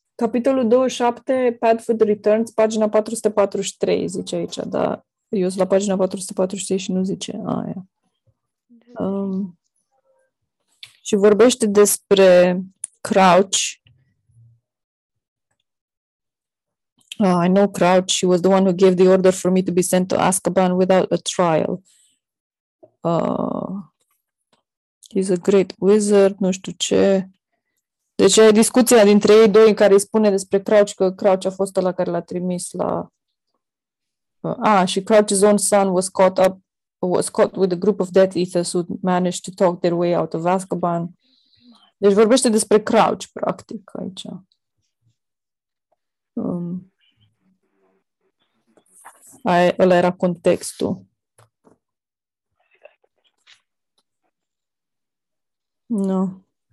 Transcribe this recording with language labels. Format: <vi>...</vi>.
<ro>Capitolul 27, Padfoot Returns, pagina 443, zice aici, da. Eu sunt la pagina 443 și nu zice aia. Și vorbește despre Crouch.</ro> <en>I know Crouch, he was the one who gave the order for me to be sent to Azkaban without a trial. He's a great wizard,</en> <ro>nu știu ce. Deci e discuția dintre ei doi în care îi spune despre Crouch, că Crouch a fost ăla care l-a trimis la...</ro> <en>și Crouch's own son was caught with a group of Death Eaters who managed to talk their way out of Azkaban.</en> <ro>Deci vorbește despre Crouch, practic, aici. Ăla era contextul. Nu.</ro>